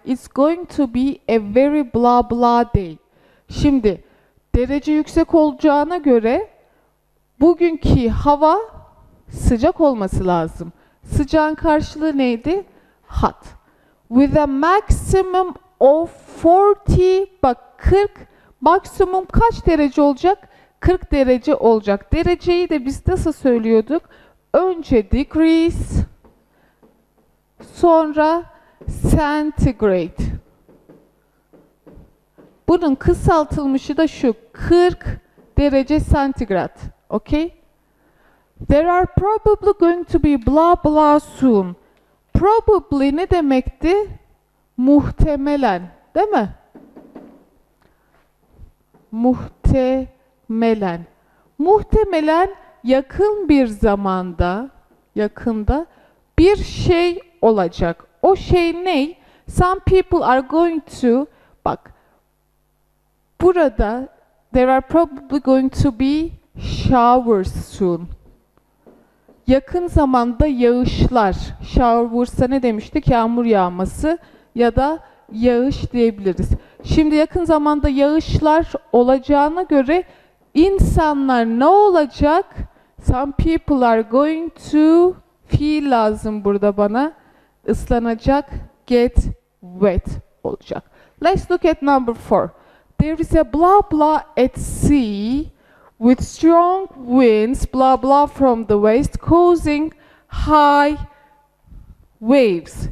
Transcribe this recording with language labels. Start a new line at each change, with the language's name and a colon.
English: It's going to be a very blah blah day.
Turkish: Şimdi derece yüksek olacağına göre bugünkü hava sıcak olması lazım. Sıcağın karşılığı neydi? Hot.
English: With a maximum of 40,
Turkish: bak 40 maksimum kaç derece olacak? 40 derece olacak. Dereceyi de biz nasıl söylüyorduk? Önce degrees, sonra centigrade. Bunun kısaltılmışı da şu. 40 derece santigrat. Okay?
English: There are probably going to be blah blah soon.
Turkish: Probably ne demekti? Muhtemelen, değil mi? Muhtemelen. Muhtemelen yakın bir zamanda, yakında bir şey olacak. O şey ne?
English: Some people are going to,
Turkish: bak, burada
English: there are probably going to be showers soon.
Turkish: Yakın zamanda yağışlar. Showers'a ne demiştik? Yağmur yağması ya da yağış diyebiliriz. Şimdi yakın zamanda yağışlar olacağına göre insanlar ne olacak?
English: Some people are going to feel
Turkish: lazım burada bana. Islanacak,
English: get wet
Turkish: olacak.
English: Let's look at number four. There is a blah blah at sea with strong winds, blah blah from the west causing high waves.